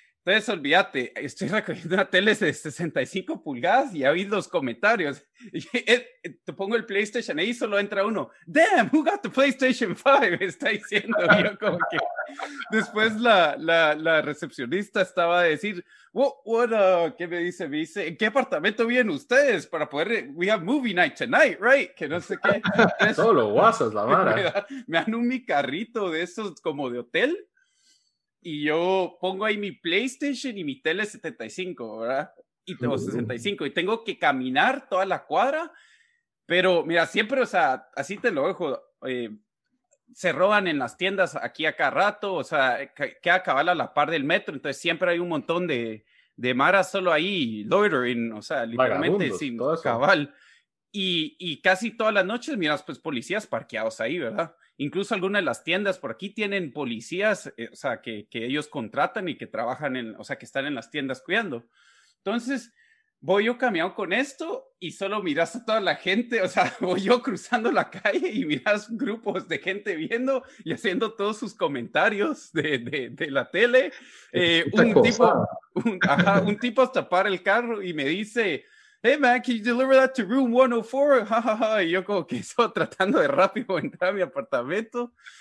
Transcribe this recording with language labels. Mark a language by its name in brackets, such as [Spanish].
[Spanish] Entonces, olvídate, estoy recogiendo una tele de 65 pulgadas y oí los comentarios. Te pongo el PlayStation ahí y solo entra uno. ¡Damn! [English] ¿Who got the PlayStation 5? [Spanish] Está diciendo yo como que... Después la recepcionista estaba a decir, ¿qué me dice? Me dice, ¿en qué apartamento viven ustedes? Para poder, [English] we have movie night tonight, right? [Spanish] Que no sé qué. Entonces, todo lo guasas, la vara. Me dan un mi carrito de esos como de hotel y yo pongo ahí mi PlayStation y mi tele 75, ¿verdad? Y tengo 65 y tengo que caminar toda la cuadra, pero mira, siempre, o sea, así te lo dejo. se roban en las tiendas aquí a cada rato, o sea, queda cabal a la par del metro, entonces siempre hay un montón de maras solo ahí, loitering, o sea, literalmente sin cabal. Y casi todas las noches miras pues policías parqueados ahí, ¿verdad? Incluso algunas de las tiendas por aquí tienen policías, o sea, que ellos contratan y que trabajan en, o sea, que están en las tiendas cuidando. Entonces, voy yo caminando con esto y solo miras a toda la gente, o sea, voy yo cruzando la calle y miras grupos de gente viendo y haciendo todos sus comentarios de la tele. Un tipo hasta para el carro y me dice... [English] Hey, man, can you deliver that to room 104? Ja, ja, ja. [Spanish] Y yo como que estaba tratando de rápido entrar a mi apartamento.